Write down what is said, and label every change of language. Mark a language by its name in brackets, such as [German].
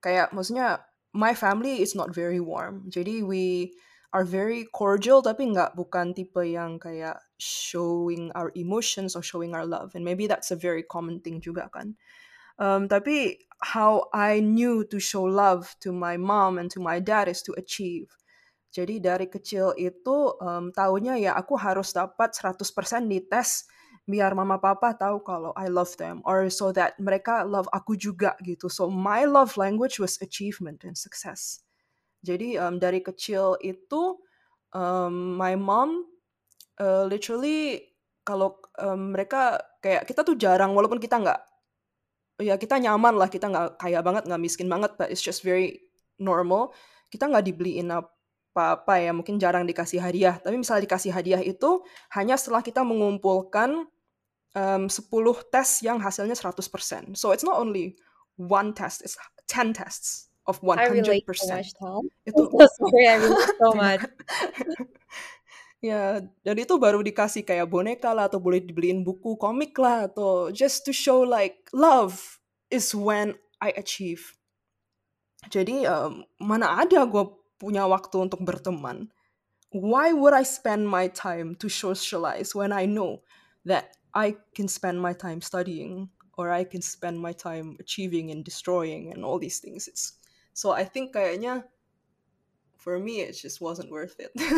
[Indonesian] Kayak, maksudnya, [English] my family is not very warm. Jadi, we are very cordial, [Indonesian] tapi nggak, bukan tipe yang kayak [English] showing our emotions or showing our love. And maybe that's a very common thing [Indonesian] juga, kan. Tapi, [English] how I knew to show love to my mom and to my dad is to achieve. [Indonesian] Jadi, dari kecil itu, tahunya ya, aku harus dapat 100% di tes, biar mama papa tahu kalau [English] I love them, or so that [Indonesian] mereka love aku juga gitu. [English] So my love language was achievement and success. [Indonesian] Jadi dari kecil itu [English] my mom literally [Indonesian] kalau mereka kayak kita tuh jarang, walaupun kita nggak, ya kita nyaman lah, kita nggak kaya banget, nggak miskin banget, [English] but it's just very normal, [Indonesian] kita nggak dibeliin apa-apa ya, mungkin jarang dikasih hadiah, tapi misalnya dikasih hadiah itu hanya setelah kita mengumpulkan 10 tes yang hasilnya 100%. [English] So it's not only one test, it's 10 tests of 100%. I relate so much, Tom. Sorry, I relate so much. [Indonesian] Yeah, dan itu baru dikasih kayak boneka lah, atau boleh dibeliin buku komik lah, atau [English] just to show like, love is when I achieve. [Indonesian] Jadi, mana ada gue punya waktu untuk berteman. [English] Why would I spend my time to socialize when I know that I can spend my time studying, or I can spend my time achieving and destroying and all these things. So I think [Indonesian] kayaknya, [English] for me, it just wasn't worth it.